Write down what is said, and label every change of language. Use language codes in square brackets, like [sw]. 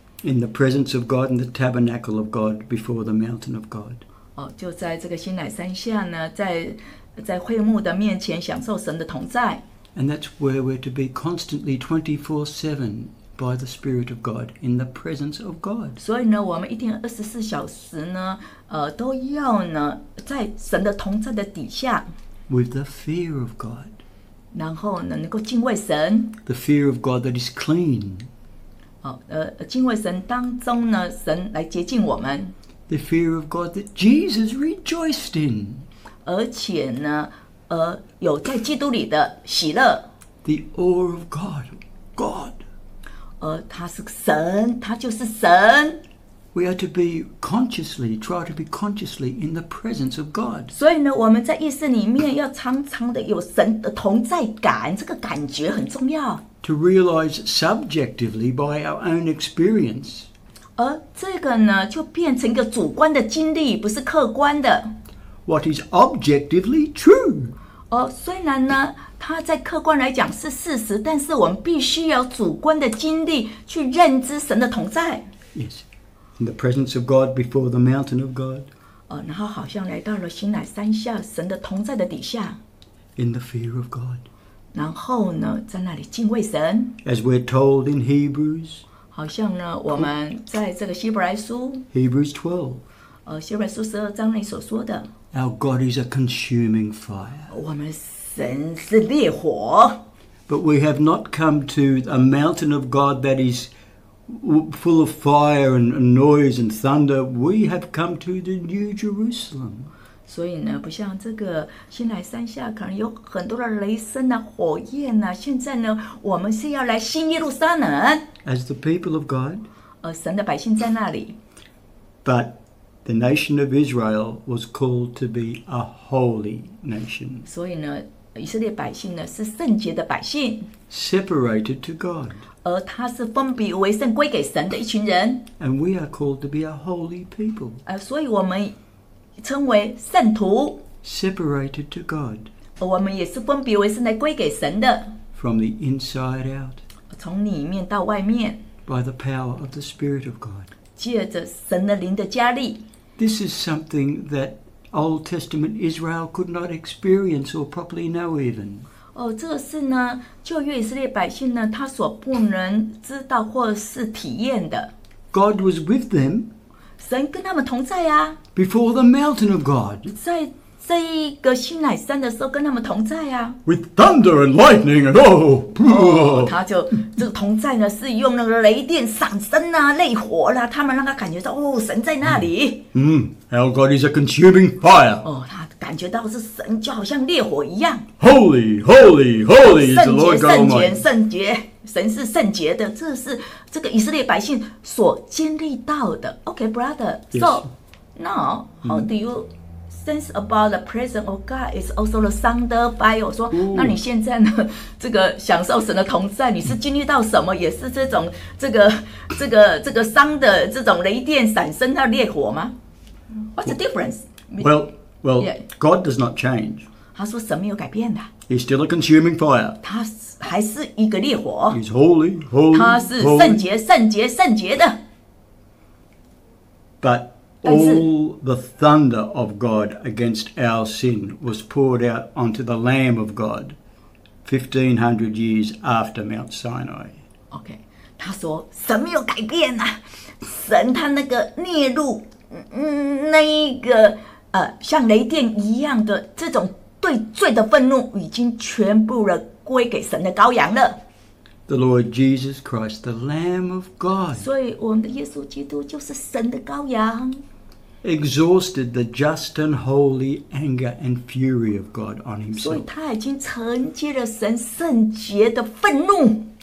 [en] In the presence of God, in the tabernacle of God, before the mountain of God. [zh] 就在这个西乃山下呢，在会幕的面前享受神的同在。 [en] And that's where we're to be constantly 24/7 by the Spirit of God in the presence of God. [zh] 所以呢，我们一天24小时呢，都要呢，在神的同在的底下。 [en] With the fear of God. [zh] 然后呢，能够敬畏神。 [en] The fear of God that is clean. [zh] 敬畏神当中呢，神来洁净我们。 [en] The fear of God that Jesus rejoiced in. [zh] 而且呢。有在基督里的喜乐。 [en] The awe of God, God. [zh] 他是神，他就是神。 [en] We are to be consciously, try to be consciously in the presence of God. [zh] 所以呢，我们在意识里面要常常的有神的同在感，这个感觉很重要。 [en] To realize subjectively by our own experience. [zh] 而这个呢，就变成一个主观的经历，不是客观的。 [en] What is objectively true? [zh] 虽然呢，它在客观来讲是事实，但是我们必须要主观的经历去认知神的同在。 [en] Yes, in the presence of God before the mountain of God. [zh] 然后好像来到了西乃山下，神的同在的底下。 [en] In the fear of God. [zh] 然后呢，在那里敬畏神。 [en] As we're told in Hebrews. [zh] 好像呢，我们在这个希伯来书。 [en] Hebrews 12. [zh] 希伯来书十二章里所说的 [en] ，Our God is a consuming fire. [zh] 我们神是烈火。 [en] But we have not come to a mountain of God that is full of fire and noise and thunder. We have come to the New Jerusalem. [zh] 所以呢，不像这个西乃山下可能有很多的雷声啊、火焰啊。现在呢，我们是要来新耶路撒冷。 [en] As the people of God. [zh] 神的百姓在那里。 [en] But The nation of Israel was called to be a holy nation. [zh] 所以呢，以色列百姓呢是圣洁的百姓。 [en] Separated to God. [zh] 而他是分别为圣、归给神的一群人。 [en] And we are called to be a holy people. [zh] 所以我们称为圣徒。 [en] Separated to God. [zh] 我们也是分别为圣来归给神的。 [en] From the inside out. [zh] 从里面到外面。 [en] By the power of the Spirit of God. [zh] 借着神的灵的加力。 [en] This is something that Old Testament Israel could not experience or properly know even. [zh] 哦，这是呢，旧约以色列百姓呢，他所不能知道或是体验的。 [en] God was with them. [zh] 神跟他们同在啊。 [en] Before the mountain of God. [zh] 在这一个西乃山的时候跟他们同在啊。 [en] With thunder and lightning and oh, poor. [zh] 他就这个同在呢，是用那个雷电闪身啊，泪火啦，他们让他感觉到哦，神在那里。 [en] Our God is a consuming fire. [zh] 哦，他感觉到是神就好像烈火一样。 [en] Holy, holy, holy. [zh] 圣洁，神是圣洁的，这是这个以色列百姓所经历到的。 [en] Okay, brother. So now, how do you sense about the presence of God? It's also the thunder, fire. [zh] 说，那你现在呢？这个享受神的同在，你是经历到什么？也是这种这个thunder的这种雷电闪身的烈火吗 ？ [en] What's the difference? Well, yeah. God does not change. [zh] 他说神没有改变的。 [en] He's still a consuming fire. [zh] 他还是一个烈火。 [en] He's holy, holy. [zh] 他是圣洁、圣洁、圣洁的。 [en] But all the thunder of God against our sin was poured out onto the Lamb of God, 1500 years after Mount Sinai. [zh] Okay, 他说神没有改变啊，神他那个孽怒，那一个像雷电一样的这种对罪的愤怒，已经全部的归给神的羔羊了。 [en] The Lord Jesus Christ, the Lamb of God. [zh] 所以我们的耶稣基督就是神的羔羊。 [en] Exhausted the just and holy anger and fury of God on himself. [zh] 所以他已经承接了神圣洁的愤怒。